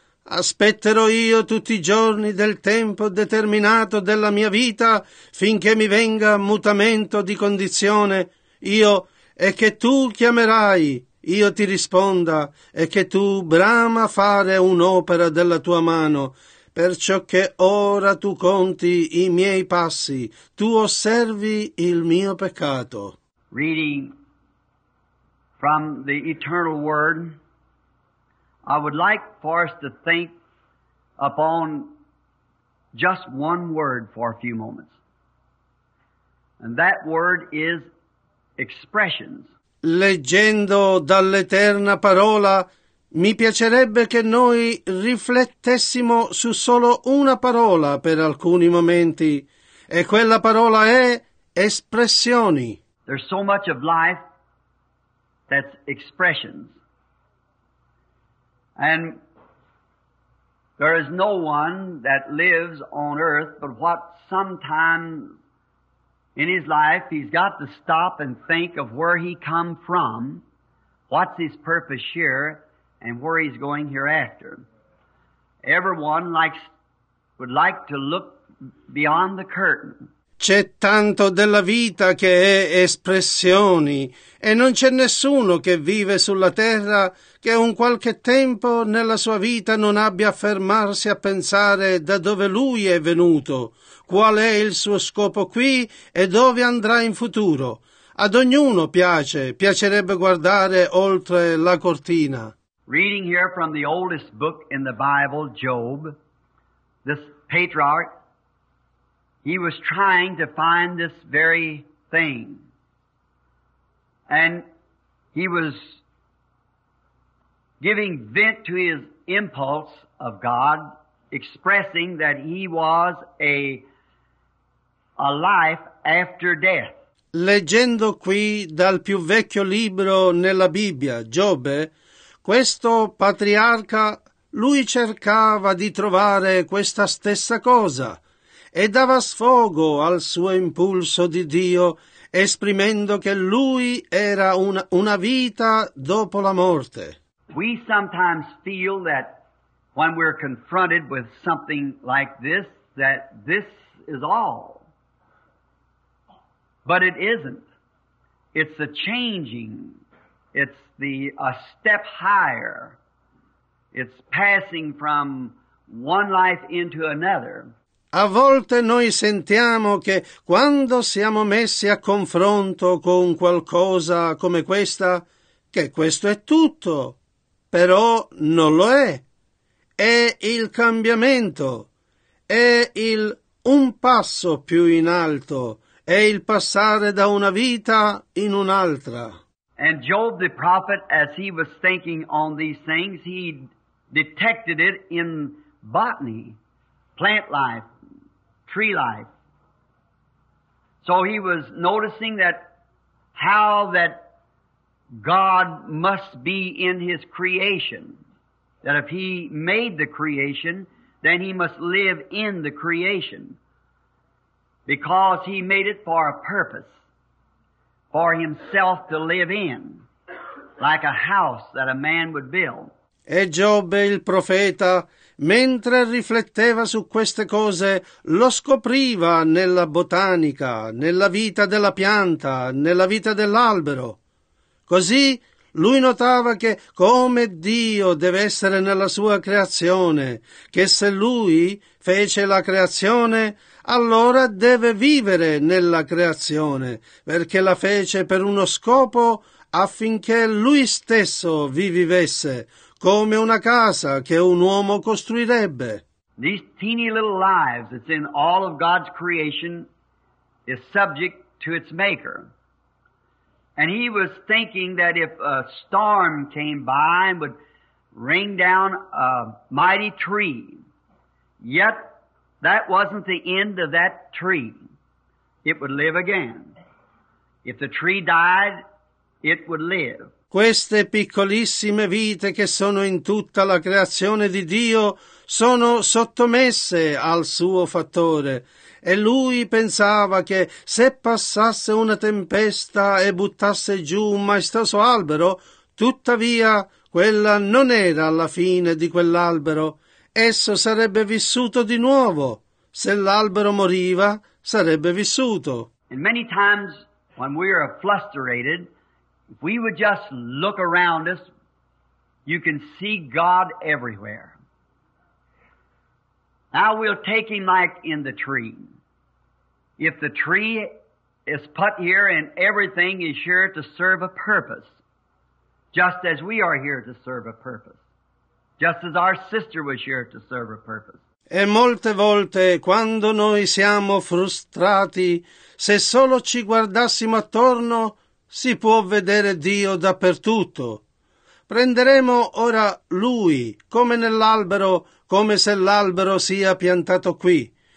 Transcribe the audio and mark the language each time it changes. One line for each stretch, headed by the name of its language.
Italian: Aspetterò io tutti i giorni del tempo determinato della mia vita, finché mi venga mutamento di condizione, io e che tu chiamerai. Io ti risponda, e che tu brama fare un'opera della tua mano, perciò che ora tu conti i miei passi, tu osservi il mio peccato.
English: Reading from the eternal word, I would like for us to think upon just one word for a few moments. And that word is expressions.
Italian: Leggendo dall'Eterna Parola, mi piacerebbe che noi riflettessimo su solo una parola per alcuni momenti, e quella parola è espressioni.
English: There's so much of life that's expressions. And there is no one that lives on earth but what sometime in his life, he's got to stop and think of where he come from, what's his purpose here, and where he's going hereafter. Everyone would like to look beyond the curtain.
Italian: C'è tanto della vita che è espressioni, e non c'è nessuno che vive sulla terra che un qualche tempo nella sua vita non abbia a fermarsi a pensare da dove lui è venuto, qual è il suo scopo qui e dove andrà in futuro. Ad ognuno piacerebbe guardare oltre la cortina.
English: reading here from the oldest book in the Bible, Job, this patriarch, he was trying to find this very thing. And he was giving vent to his impulse of God, expressing that he was a life after death.
Italian: Leggendo qui dal più vecchio libro nella Bibbia, Giobbe, questo patriarca, lui cercava di trovare questa stessa cosa e dava sfogo al suo impulso di Dio, esprimendo che lui era una vita dopo la morte.
English: We sometimes feel that when we're confronted with something like this, that this is all. But it isn't. It's the changing. It's a step higher. It's passing from one life into another.
Italian: A volte noi sentiamo che quando siamo messi a confronto con qualcosa come questa, che questo è tutto, però non lo è. È il cambiamento, è un passo più in alto, è il passare da una vita in un'altra.
English: And Job the prophet, as he was thinking on these things, he detected it in botany, plant life, tree life. So he was noticing that how that God must be in his creation. That if he made the creation, then he must live in the creation. Because he made it for a purpose. For himself to live in. Like a house that a man would build.
Italian: E Giobbe il profeta, mentre rifletteva su queste cose, lo scopriva nella botanica, nella vita della pianta, nella vita dell'albero. Così lui notava che come Dio deve essere nella sua creazione, che se lui fece la creazione, allora deve vivere nella creazione, perché la fece per uno scopo affinché lui stesso vi vivesse, come una casa che un uomo costruirebbe.
English: These teeny little lives that's in all of God's creation is subject to its maker. And he was thinking that if a storm came by and would rain down a mighty tree, yet that wasn't the end of that tree. It would live again. If the tree died, it would live.
Italian: Queste piccolissime vite che sono in tutta la creazione di Dio sono sottomesse al suo fattore. E lui pensava che se passasse una tempesta e buttasse giù un maestoso albero, tuttavia quella non era la fine di quell'albero. Esso sarebbe vissuto di nuovo. Se l'albero moriva, sarebbe vissuto.
English: And many times when we are flustered, if we would just look around us, you can see God everywhere. Now we'll take him like in the tree. If the tree is put here and everything is here to serve a purpose, just as we are here to serve a purpose, just as our sister was here to serve a purpose.
Italian: E molte volte, quando noi siamo frustrati, se solo ci guardassimo attorno, si può vedere Dio dappertutto. Prenderemo ora Lui, come nell'albero, come se l'albero sia piantato qui.